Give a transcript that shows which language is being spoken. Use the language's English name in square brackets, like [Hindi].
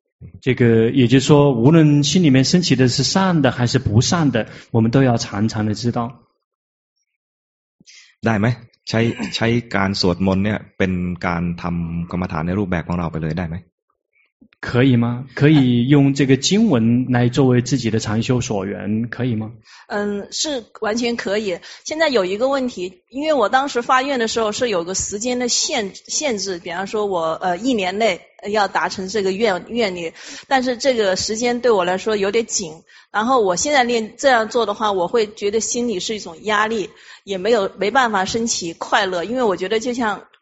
[Chinese] ๆ这个也就是说无论心里面升起的是善的还是不善的我们都要常常的知道 [Thai] ได้ไหมใช้การสวดมนต์เนี่ยเป็นการทำกรรมฐานในรูปแบบของเราไปเลยได้ไหม [Chinese] 可以吗可以用这个经文来作为自己的禅修所缘可以吗是完全可以现在有一个问题因为我当时发愿的时候是有个时间的限制比方说我一年内要达成这个愿力但是这个时间对我来说有点紧然后我现在练这样做的话我会觉得心里是一种压力也没办法升起快乐因为我觉得就像